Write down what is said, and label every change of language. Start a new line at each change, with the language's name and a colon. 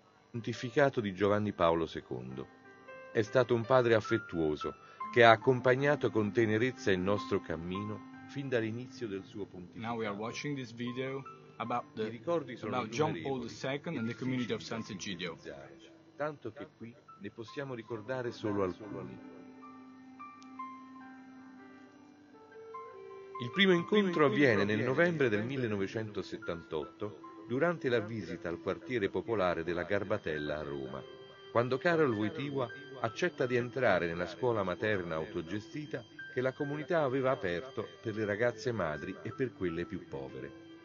Italian: pontificato di Giovanni Paolo II. È stato un padre affettuoso che ha accompagnato con tenerezza il nostro cammino fin dall'inizio del suo pontificato.
English: Now we are watching this video about the about John Paul II and the Community of Sant'Egidio.
Italian: Tanto che qui ne possiamo ricordare solo alcuni. Il primo incontro avviene nel novembre del 1978 durante la visita al quartiere popolare della Garbatella a Roma, quando Carol Wojtyła accetta di entrare nella scuola materna autogestita che la comunità aveva aperto per le ragazze madri e per quelle più povere.